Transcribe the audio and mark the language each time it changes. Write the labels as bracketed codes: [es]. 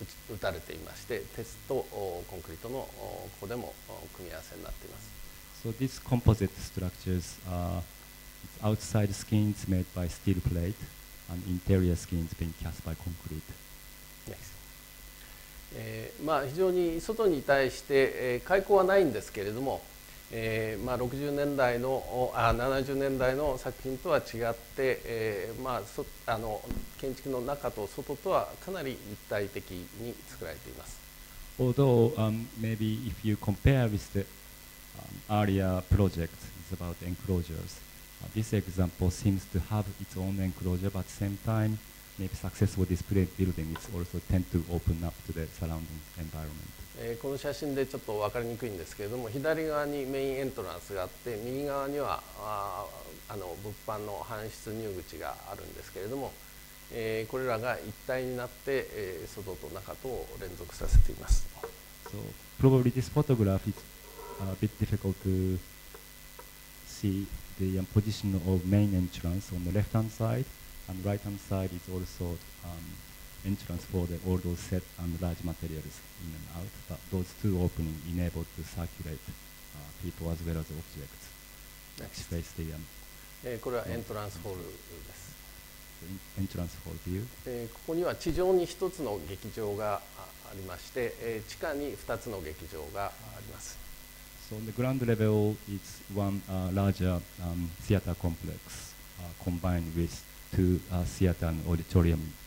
[ja] 打たれていまして、鉄とコンクリートのここでも組み合わせになっています。 [en] So these composite structures are outside skins made by steel plate and interior skins being cast by concrete. Yes. [ja] まあ非常に外に対して開口はないんですけれども、まあ60年代の70年代の作品とは違って、まあ、建築の中と外とはかなり一体的に作られています。 [en] Although maybe if you compare with the earlier project about enclosures This example seems to have its own enclosure, but at the same time, maybe successful display building is also tend to open up to the surrounding environment. [ja] この写真でちょっと分かりにくいんですけれども、左側にメインエントランスがあって、右側にはあの物販の搬出入口があるんですけれども、これらが一体になって、外と中とを連続させています。 [en] So, probably this photograph is a bit difficult to see the position of main entrance on the left-hand side, and right-hand side is also entrance for the all those set and large materials in and out, but those two openings enable to circulate people as well as objects. Next. Space the, [ja] これはエントランスホールです。エントランスホールビュー。ここには地上に一つの劇場がありまして、地下に二つの劇場があります。 [en] So on the ground level, it's one larger theater complex combined with two theater and auditorium.